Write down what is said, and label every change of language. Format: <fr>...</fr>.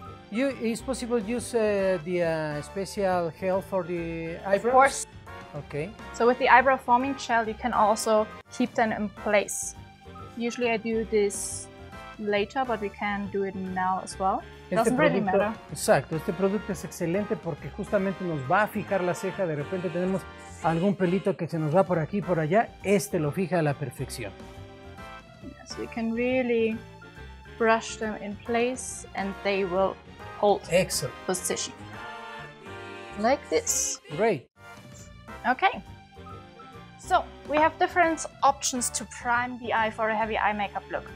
<en>You, is possible to use the special gel for the eyebrows? Of course. Okay. So with the eyebrow forming gel, you can also keep them in place. Usually I do this later, but we can do it now as well.</en> <es>Exacto, este producto es excelente porque justamente nos va a fijar la ceja. De repente tenemos algún pelito que se nos va por aquí, por allá. Este lo fija a la perfección.</es> <en>Yes, we can really brush them in place and they will hold position. Like this. Great. Okay. So, we have different options to prime the eye for a heavy eye makeup look.</en>